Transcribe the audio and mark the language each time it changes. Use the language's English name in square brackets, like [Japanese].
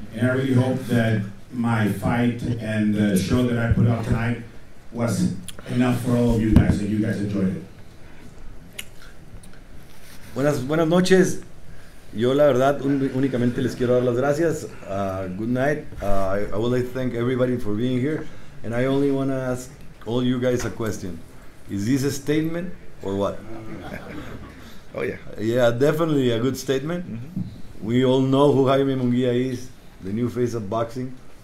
[English] And I really hope that my fight and the show that I put out tonight was enough for all of you guys, that you guys enjoyed it. [Spanish] Buenas noches. Yo la verdad únicamente les quiero dar las gracias. [English] Good night. I would like to thank everybody for being here. And I only want to ask all you guys a question. Is this a statement or what? Oh, yeah. Yeah, definitely a good statement. Mm-hmm. We all know who Jaime Munguía is, the new face of boxing.